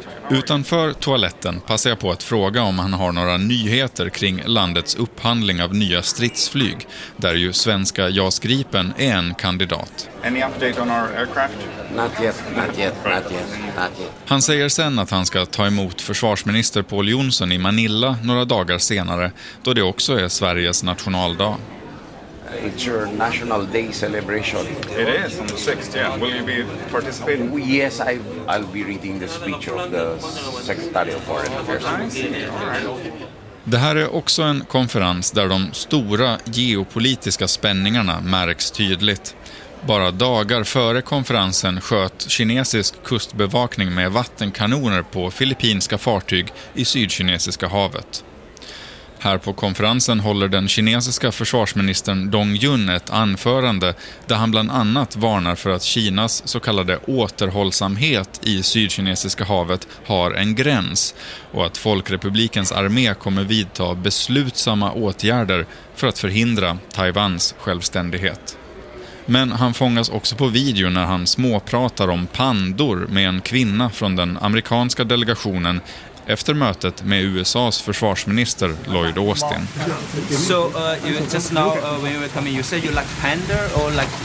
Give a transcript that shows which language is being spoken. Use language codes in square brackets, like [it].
[sv] Utanför toaletten passar jag på att fråga om han har några nyheter kring landets upphandling av nya stridsflyg, där ju svenska JAS Gripen är en kandidat. [en] Any update on our aircraft? Not yet. [sv] Han säger sen att han ska ta emot försvarsminister Paul Jonsson i Manila några dagar senare, då det också är Sveriges nationaldag. [en] It's your national day celebration. It is on the 6th, yeah. Will you be participating? Yes, I'll be reading the speech of the Secretary of Foreign Affairs. [sv] Det här är också en konferens där de stora geopolitiska spänningarna märks tydligt. Bara dagar före konferensen sköt kinesisk kustbevakning med vattenkanoner på filippinska fartyg i Sydkinesiska havet. Här på konferensen håller den kinesiska försvarsministern Dong Yun ett anförande där han bland annat varnar för att Kinas så kallade återhållsamhet i Sydkinesiska havet har en gräns och att Folkrepublikens armé kommer vidta beslutsamma åtgärder för att förhindra Taiwans självständighet. Men han fångas också på video när han småpratar om pandor med en kvinna från den amerikanska delegationen efter mötet med USA:s försvarsminister Lloyd Austin. [en] So you just now when you were coming you said you like panda or like